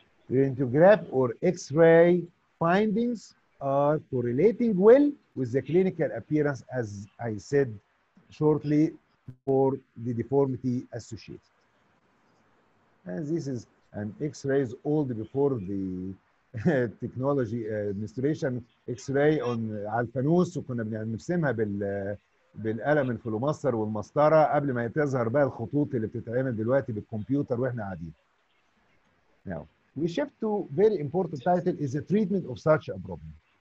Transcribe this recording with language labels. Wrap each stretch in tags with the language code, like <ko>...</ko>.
<en>Radiograph or X-ray findings are correlating well with the clinical appearance, as I said shortly, for the deformity associated. And this is an X-ray old before the</en> <ar>تكنولوجي انستليشن اكس راي اون على الفانوس، وكنا بنرسمها بالقلم الفلوماستر والمسطره قبل ما تظهر بقى الخطوط اللي بتتعمل دلوقتي بالكمبيوتر واحنا قاعدين.</ar> <en>Now we shift to very important title is the treatment of such a problem.</en>